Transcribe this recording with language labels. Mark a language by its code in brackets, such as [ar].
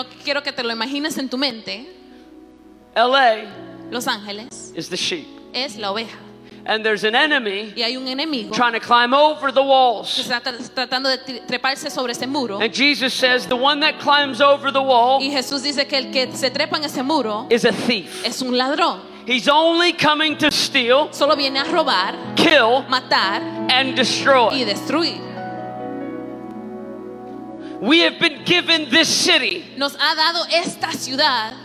[es] Quiero que te lo imagines en tu mente. [en] LA, [es] Los Ángeles, [en] is the sheep. [es] Es la oveja. [en] And there's an enemy, [es] y hay un enemigo, [en] trying to climb over the walls. [es] Que está tratando de treparse sobre ese muro. [en] And Jesus says, the one that climbs over the wall, [es] y Jesús dice que el que se trepa en ese muro, [en] is a thief. [es] Es un ladrón. [en] He's only coming to steal, [es] solo viene a robar, [en] kill, [es] matar, [en] and destroy. [es] Y destruir. [en] We have been given this city. [es] Nos ha dado esta ciudad.